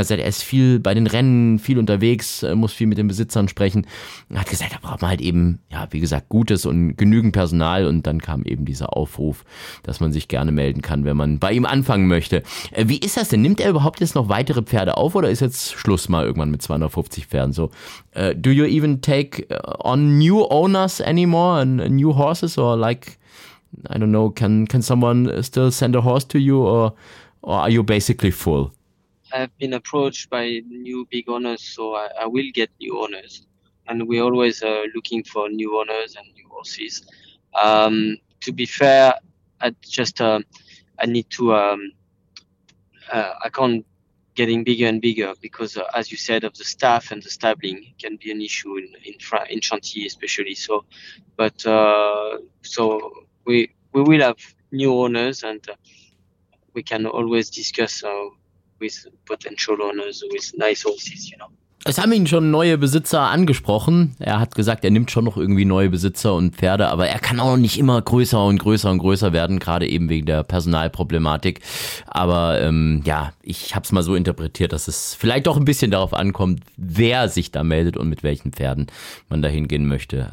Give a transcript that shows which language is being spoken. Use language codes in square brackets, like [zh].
[de] Er hat gesagt, er ist viel bei den Rennen, viel unterwegs, muss viel mit den Besitzern sprechen. Er hat gesagt, da braucht man halt eben, ja, wie gesagt, gutes und genügend Personal. Und dann kam eben dieser Aufruf, dass man sich gerne melden kann, wenn man bei ihm anfangen möchte. Wie ist das denn? Nimmt er überhaupt jetzt noch weitere Pferde auf oder ist jetzt Schluss mal irgendwann mit 250 Pferden? [en] So, do you even take on new owners anymore and new horses or like, I don't know, can someone still send a horse to you or are you basically full? I've been approached by new big owners, so I will get new owners, and we're always looking for new owners and new horses. To be fair, I can't getting bigger and bigger because as you said, of the staff and the stabling can be an issue in Chantilly especially. So, but so we will have new owners and we can always discuss with potential owners, with nice horses, you know. [de] Es haben ihn schon neue Besitzer angesprochen. Er hat gesagt, er nimmt schon noch irgendwie neue Besitzer und Pferde, aber er kann auch nicht immer größer und größer und größer werden, gerade eben wegen der Personalproblematik. Aber ja, ich habe es mal so interpretiert, dass es vielleicht doch ein bisschen darauf ankommt, wer sich da meldet und mit welchen Pferden man da hingehen möchte.